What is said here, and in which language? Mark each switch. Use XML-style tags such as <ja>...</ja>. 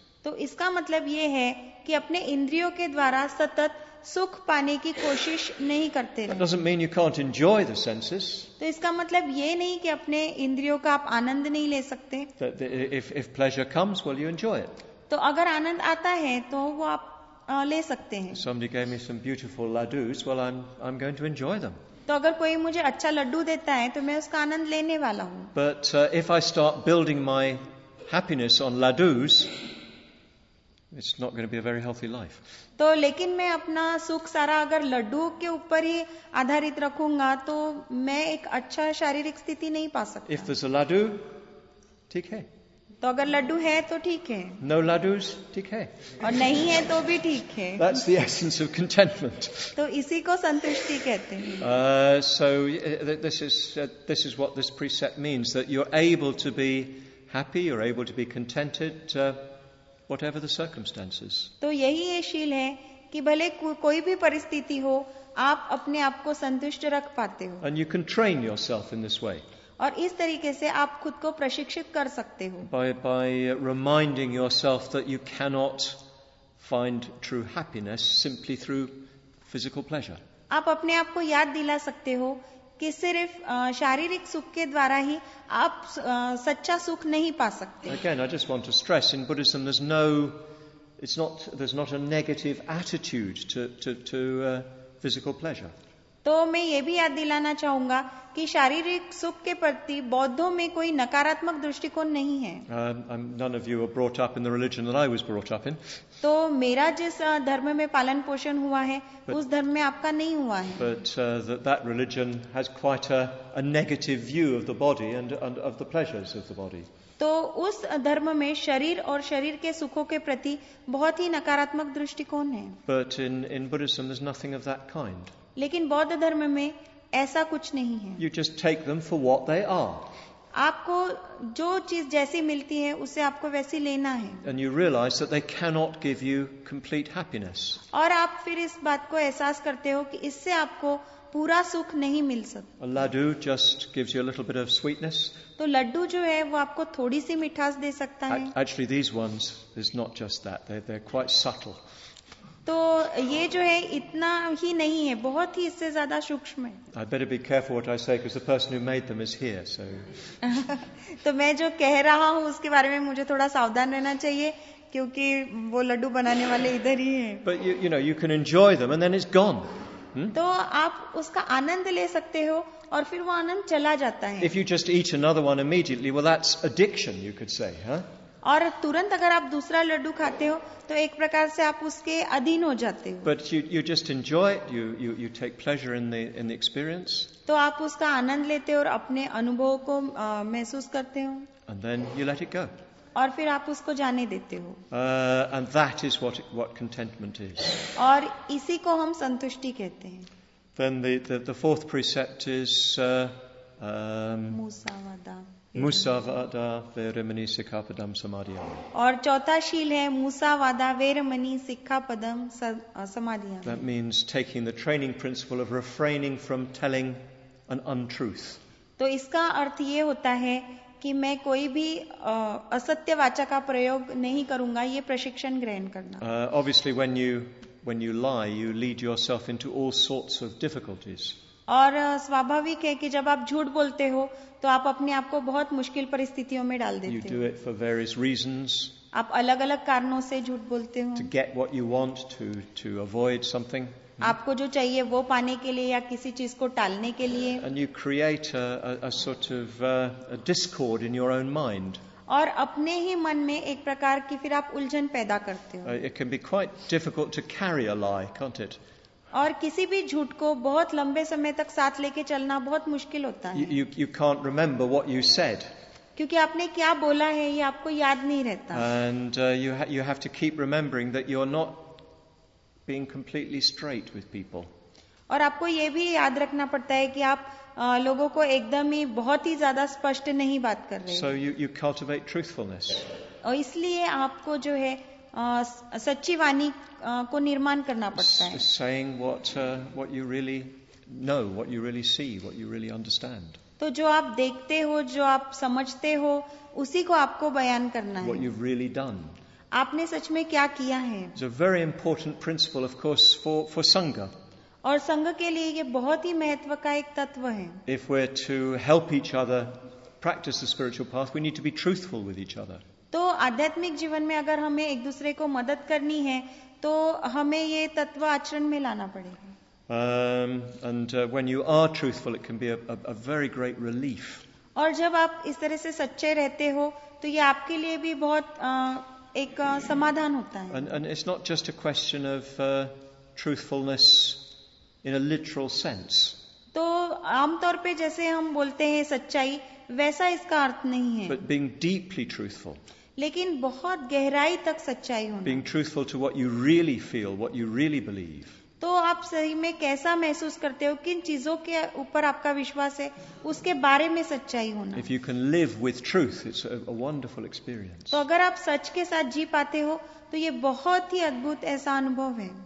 <hi>तो इसका मतलब ये है कि अपने इंद्रियों के द्वारा सतत सुख पाने की कोशिश नहीं करते रहे।</hi> <en>That doesn't mean you can't enjoy the senses.</en> <hi>तो इसका मतलब ये नहीं कि अपने इंद्रियों का आप आनंद नहीं ले सकते।</hi> <en>If pleasure comes, well, you enjoy it.</en> <hi>तो अगर आनंद आता है तो वो आप ले सकते हैं।</hi> <en>Somebody gave me some beautiful laddus. Well, I'm going to enjoy them.</en> <hi>तो अगर कोई मुझे अच्छा लड्डू देता है तो मैं उसका आनंद लेने वाला हूँ।</hi> <en>But if I start building my happiness on laddus, It's not going to be a very healthy life.</en> <hi>तो लेकिन मैं अपना सुख सारा अगर लड्डू के ऊपर ही आधारित रखूंगा तो मैं एक अच्छा शारीरिक स्थिति नहीं पा सकता.</hi> <en>If there's a laddu,</en> <hi>ठीक है. तो अगर लड्डू है तो ठीक है.</hi> <en>No laddus,</en> <hi>ठीक है. और नहीं है तो भी ठीक है.</hi> <en>That's the essence of contentment.</en> <hi>तो इसी को संतुष्टि कहते हैं.</hi> <en>So this is what this precept means, that you're able to be happy, you're able to be contented. Whatever the circumstances.</en> <hi>तो यही ये शील है कि भले कोई भी परिस्थिति हो आप अपने आप को संतुष्ट रख पाते हो.</hi> <en>And you can train yourself in this way.</en> <hi>और इस तरीके से आप खुद को प्रशिक्षित कर सकते हो.</hi> <en>By reminding yourself that you cannot find true happiness simply through physical pleasure.</en> <hi>आप अपने आप को याद दिला सकते हो कि सिर्फ शारीरिक सुख के द्वारा ही आप सच्चा सुख नहीं पा सकते.</hi> <en>Again, I just want to stress, in Buddhism there's not a negative attitude to physical pleasure.</en> <hi>तो मैं ये भी याद दिलाना चाहूंगा कि शारीरिक सुख के प्रति बौद्धों में कोई नकारात्मक दृष्टिकोण नहीं है.</hi> <en>None of you were brought up in the religion that I was brought up in.</en> <hi>तो मेरा जिस धर्म में पालन पोषण हुआ है उस धर्म में आपका नहीं हुआ है.</hi> <en>But that religion has quite a negative view of the body and of the pleasures of the body.</en> <hi>तो उस धर्म में शरीर और शरीर के सुखों के प्रति बहुत ही नकारात्मक दृष्टिकोण है.</hi> <en>But in Buddhism there's nothing of that kind.</en> <hi>लेकिन बौद्ध धर्म में ऐसा कुछ नहीं है.</hi> <en>You just take them for what they are.</en> <hi>आपको जो चीज जैसी मिलती है उसे आपको वैसी लेना है.</hi> <en>And you realize that they cannot give you complete happiness.</en> <hi>और आप फिर इस बात को एहसास करते हो कि इससे आपको पूरा सुख नहीं मिल सकता.</hi> <en>A laddu just gives you a little bit of sweetness.</en> <hi>तो लड्डू जो है वो आपको थोड़ी सी मिठास दे सकता है.</hi> <en>Actually, these ones is not just that. They're quite subtle.</en> <hi>तो ये जो है इतना ही नहीं है, बहुत ही इससे ज्यादा सूक्ष्म है.</hi> <en>I better be careful what I say because the person who made them is here, so.</en> <hi>तो मैं जो कह रहा हूँ उसके बारे में मुझे थोड़ा सावधान रहना चाहिए क्योंकि वो लड्डू बनाने वाले इधर ही हैं.</hi> <en>But you know you can enjoy them and then it's gone.</en> <hi>तो आप उसका आनंद ले सकते हो और फिर वो आनंद चला जाता है.</hi> <en>If you just eat another one immediately, well that's addiction, you could say, huh?</en> <hi>और तुरंत अगर आप दूसरा लड्डू खाते हो तो एक प्रकार से आप उसके अधीन हो जाते हो.</hi> <en>But you just enjoy it, you take pleasure in the experience.</en> <hi>तो आप उसका आनंद लेते हो और अपने अनुभव को महसूस करते हो.</hi> <en>And then you let it go.</en> <hi>और फिर आप उसको जाने देते हो.</hi> <en>And that is what contentment is.</en> <hi>और इसी को हम संतुष्टि कहते हैं.</hi> <en>Then the fourth precept is</en> <pi>Musavada Veeramani Sikkhapadam Samadhiyami.</pi> <hi>और चौथा शील है</hi> <pi>मुसावादा वेरमणि सिक्खापदम समाधियामि.</pi> <en>That means taking the training principle of refraining from telling an untruth.</en> <hi>तो इसका अर्थ ये होता है कि मैं कोई भी असत्य वाचा का प्रयोग नहीं करूंगा, ये प्रशिक्षण ग्रहण करना.</hi> <en>Obviously when you lie you lead yourself into all sorts of difficulties.</en> <hi>और स्वाभाविक है कि जब आप झूठ बोलते हो तो आप अपने आप को बहुत मुश्किल परिस्थितियों में डाल देते हो.</hi> <en>You do it for various reasons.</en> <hi>आप अलग अलग कारणों से झूठ बोलते हो.</hi> <en>To get what you want, to avoid something.</en> <hi>आपको जो चाहिए वो पाने के लिए या किसी चीज को टालने के लिए.</hi> <en>And you create a sort of a discord in your own mind.</en> <hi>और अपने ही मन में एक प्रकार की फिर आप उलझन पैदा करते हो.</hi> <en>It can be quite difficult to carry a lie, can't it?</en> <hi>और किसी भी झूठ को बहुत लंबे समय तक साथ लेके चलना बहुत मुश्किल होता है.</hi> <en>You can't remember what you said.</en> <hi>क्योंकि आपने क्या बोला है ये आपको याद नहीं रहता.</hi> <en>And you have to keep remembering that you're not being completely straight with people.</en> <hi>और आपको ये भी याद रखना पड़ता है कि आप लोगों को एकदम ही बहुत ही ज्यादा स्पष्ट नहीं बात कर रहे.</hi> <en>So you cultivate truthfulness.</en> <hi>और इसलिए आपको जो है सच्ची वाणी को निर्माण करना पड़ता है.</hi> <en>Saying what you really know, what you really see, what you really understand.</en> <hi>तो जो आप देखते हो, जो आप समझते हो, उसी को आपको बयान करना है.</hi> <en>What you've really done.</en> <hi>आपने सच में क्या किया है?</hi> <en>It's a very important principle, of course, for sangha.</en> <hi>और संघ के लिए ये बहुत ही महत्व का एक तत्व है.</hi> <en>If we're to help each other practice the spiritual path, we need to be truthful with each other.</en> <hi>तो आध्यात्मिक जीवन में अगर हमें एक दूसरे को मदद करनी है तो हमें ये तत्व आचरण में लाना पड़ेगा.</hi> <en>And when you are truthful, it can be a very great relief.</en> <hi>और जब आप इस तरह से सच्चे रहते हो तो ये आपके लिए भी बहुत एक समाधान होता है.</hi> <en>And it's not just a question of truthfulness in a literal sense.</en> <hi>तो आमतौर पे जैसे हम बोलते हैं सच्चाई, वैसा इसका अर्थ नहीं है.</hi> <en>But being deeply truthful.</en> <hi>लेकिन बहुत गहराई तक सच्चाई होना.</hi> <en>Being truthful to what you really feel, what you really believe.</en> <hi>तो आप सही में कैसा महसूस करते हो, किन चीजों के ऊपर आपका विश्वास है, उसके बारे में सच्चाई होना.</hi> <en>If you can live with truth, it's a wonderful experience.</en> <hi>तो अगर आप सच के साथ जी पाते हो तो ये बहुत ही अद्भुत ऐसा अनुभव है.</hi>